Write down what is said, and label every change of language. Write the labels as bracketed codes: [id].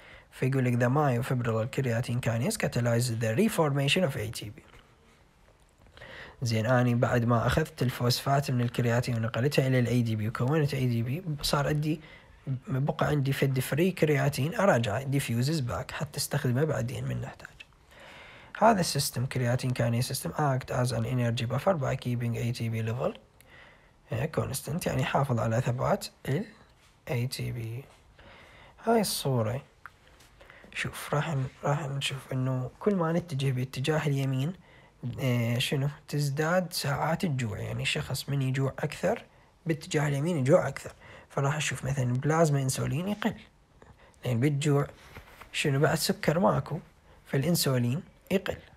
[ar] فيقول لك [en] the myofibrillar creatine kinase catalyzes the reformation of ATP. [ar] زين، أنا بعد ما أخذت الفوسفات من الكرياتين ونقلتها إلى الADP وكونت ADP، صار عندي بقى عندي فد فري كرياتين أراجع [en] diffuses back [ar] حتى استخدمه بعدين من نحتاج. هذا السيستم كرياتين كاني سيستم [en] act as an energy buffer by keeping ATP level constant، [ar] يعني حافظ على ثبات ال ATP. هاي الصورة، شوف راح نشوف انه كل ما نتجه باتجاه اليمين شنو تزداد ساعات الجوع، يعني شخص من يجوع اكثر باتجاه اليمين يجوع اكثر، فراح نشوف مثلا بلازما انسولين يقل، لان يعني بالجوع شنو بعد سكر ماكو، فالانسولين يقل.